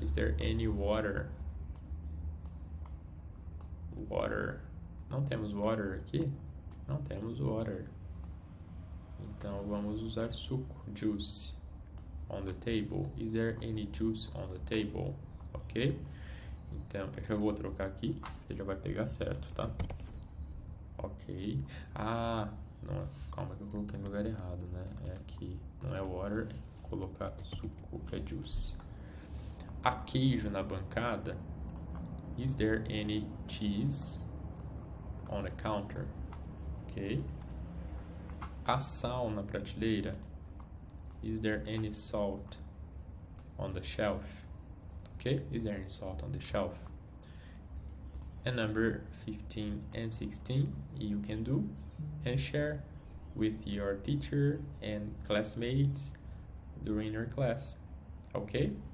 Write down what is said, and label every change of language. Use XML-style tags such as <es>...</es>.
<en>Is there any water?</en> <pt>Water. Não temos water aqui? Não temos water. Então vamos usar suco.</pt> <en>Juice. On the table. Is there any juice on the table? Ok?</en> <pt>Então eu já vou trocar aqui. Você já vai pegar certo, tá? Ok. Ah! Não, calma que eu coloquei no lugar errado, né? É aqui. Não é water. Colocar suco, que é juice. Há queijo na bancada?</pt> <en>Is there any cheese on the counter? Ok.</en> <pt>Há sal na prateleira?</pt> <en>Is there any salt on the shelf? Ok. Is there any salt on the shelf? And number 15 and 16, you can do and share with your teacher and classmates during your class. Okay?</en>